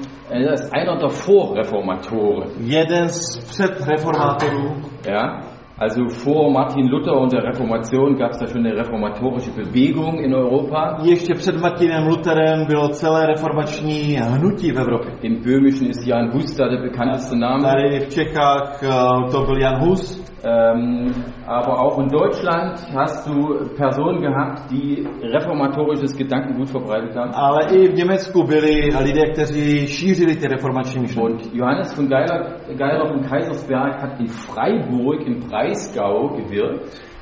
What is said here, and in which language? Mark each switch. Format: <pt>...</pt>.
<de>Er ist einer der Vorreformatoren.</de> <cs>Jeden z předreformátorů.</cs> <de>Ja. Also vor Martin Luther und der Reformation gab es da schon eine reformatorische Bewegung in Europa.</de> <cs>Ještě před Martinem Lutherem bylo celé reformační hnutí v Evropě.</cs> <de>In Böhmischen ist Jan Hus da der bekannteste Name.</de> <cs>Tady v Čechách to byl Jan Hus.</cs> <de>Aber auch in Deutschland hast du Personen gehabt, die reformatorisches Gedankengut verbreitet haben.</de> <cs>Ale i v Německu byli lidé, kteří šířili ty reformační myšlenky.</cs> <de>Und Johannes von Geirach in Kaisersberg hat in Freiburg im Breisgau gewirkt.</de>